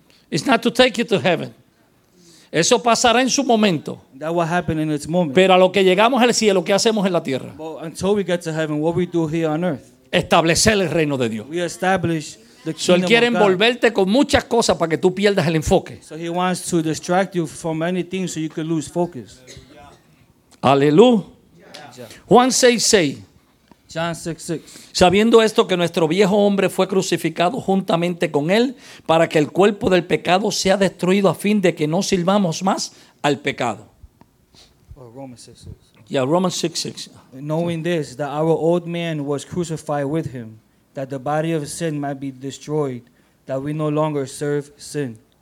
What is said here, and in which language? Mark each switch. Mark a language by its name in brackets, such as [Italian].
[English] It's not to take you to heaven. [Spanish] Eso pasará en su momento. [English] That will happen in its moment. [Spanish] Pero a lo que llegamos al cielo, ¿qué hacemos en la tierra? [English] Until we get to heaven, what we do here on earth? [Spanish] Establecer el reino de Dios. [English] We establish the kingdom. [Spanish] So él quiere envolverte con muchas cosas para que tú pierdas el enfoque. [English] So he wants to distract you from many things so you can lose focus. [Spanish] Aleluya. [English] John 6:6. [Spanish] Sabiendo esto, que nuestro viejo hombre fue crucificado juntamente con él para que el cuerpo del pecado sea destruido a fin de que no sirvamos más al pecado. [English] Romans 6:6. Knowing this, that our old man was crucified with him, that the body of sin might be destroyed, that we no longer serve sin.